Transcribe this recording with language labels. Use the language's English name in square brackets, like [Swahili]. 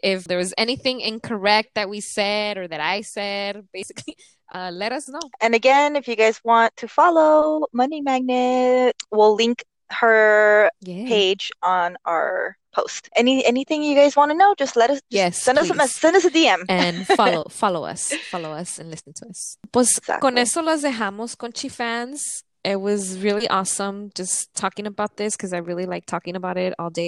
[English] If there was anything incorrect that we said or that I said, basically, let us know. And again, if you guys want to follow Money Magnet, we'll link her page on our post. Anything you guys want to know, just let us send us a DM and follow us and listen to us. [Spanish] Pues [English] exactly. [Spanish] Con eso las dejamos, Conchi fans. [English] It was really awesome just talking about this because I really like talking about it all day, every day. So thank you for listening to us today.